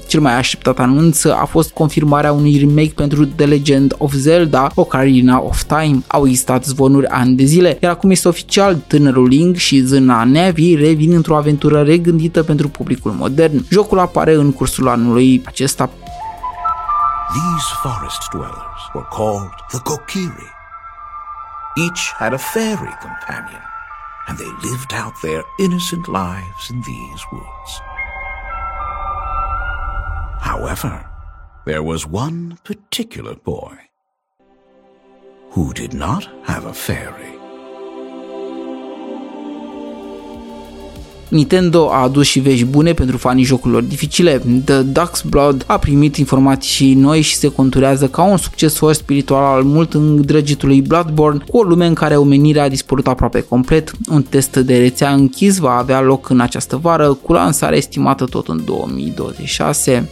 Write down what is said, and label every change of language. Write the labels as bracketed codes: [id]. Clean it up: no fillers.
[ro] Cel mai așteptat anunț a fost confirmarea unui remake pentru The Legend of Zelda, Ocarina of Time. Au existat zvonuri ani de zile, iar acum este oficial, tânărul Link și Zâna Navi revin într-o aventură regândită pentru publicul modern. Jocul apare în cursul anului acesta. [en] These forest dwellers were called the Kokiri. Each had a fairy companion, and they lived out their innocent lives in these woods. However, there was one particular boy who did not have a fairy. [ro] Nintendo a adus și vești bune pentru fanii jocurilor dificile. The Duck's Blood a primit informații noi și se conturează ca un succesor spiritual al mult îndrăgitului Bloodborne, cu o lume în care omenirea a dispărut aproape complet. Un test de rețea închis va avea loc în această vară, cu lansarea estimată tot în 2026.